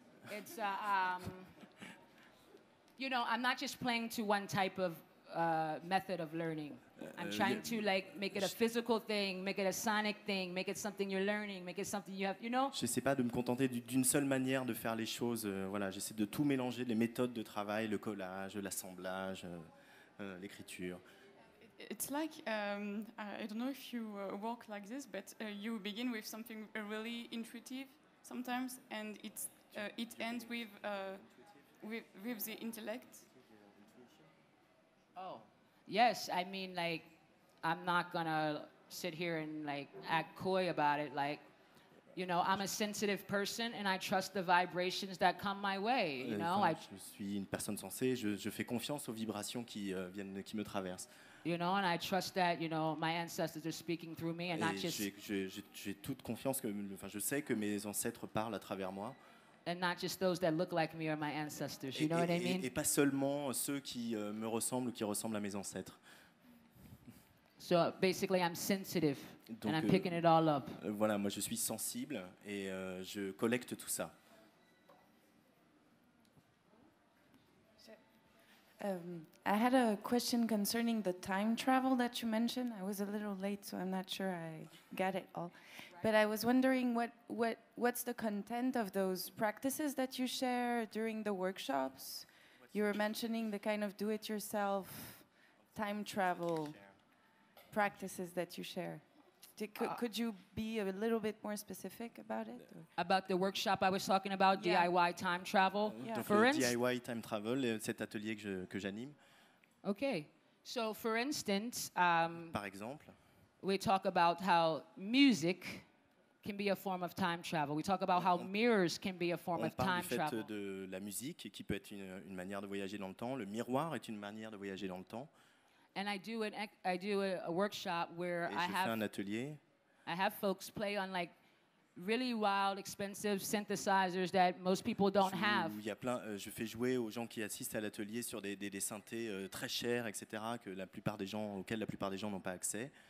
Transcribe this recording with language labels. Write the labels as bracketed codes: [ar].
[en] It's you know, I'm not just playing to one type of method of learning. I'm trying to like make it a physical thing, make it a sonic thing, make it something you're learning, make it something you have, you know. [fr] Je sais pas de me contenter d'une seule manière de faire les choses. Voilà, j'essaie de tout mélanger, les méthodes de travail, le collage, l'assemblage, l'écriture. [en] It's like I don't know if you work like this, but you begin with something really intuitive sometimes, and it's it ends with the intellect. Oh. Yes, I mean, like, I'm not gonna sit here and, like, act coy about it. Like, you know, I'm a sensitive person and I trust the vibrations that come my way, you know? [fr] Je suis une personne sensée, je fais confiance aux vibrations qui viennent, qui me traversent. [en] You know, and I trust that, you know, my ancestors are speaking through me and [fr] et [en] not just... [fr] J'ai toute confiance, enfin, je sais que mes ancêtres parlent à travers moi. [en] And not just those that look like me or my ancestors, you know what I mean? [fr] Et pas seulement ceux qui me ressemblent ou qui ressemblent à mes ancêtres. [en] So basically I'm sensitive and I'm picking it all up. [fr] Voilà, moi je suis sensible et je collecte tout ça. [en] I had a question concerning the time travel that you mentioned. I was a little late, so I'm not sure I got it all. But I was wondering what's the content of those practices that you share during the workshops? You were mentioning the kind of do-it-yourself time travel practices that you share. Could you be a little bit more specific about it? About the workshop I was talking about, yeah. DIY time travel. Yeah. For DIY time travel, [fr] cet atelier que j'anime. [en] Okay. So, for instance, [fr] par exemple, [en] we talk about how music can be a form of time travel. We talk about how mirrors can be a form of time travel. [fr] On parle du fait de la musique qui peut être une manière de voyager dans le temps. Le miroir est une manière de voyager dans le temps. [en] And I do a workshop where I have folks play on like really wild, expensive synthesizers that most people don't have. [fr] Il y a plein, je fais jouer aux gens qui assistent à l'atelier sur des synthés très chers, etc., que la plupart des gens, auxquels la plupart des gens n'ont pas accès.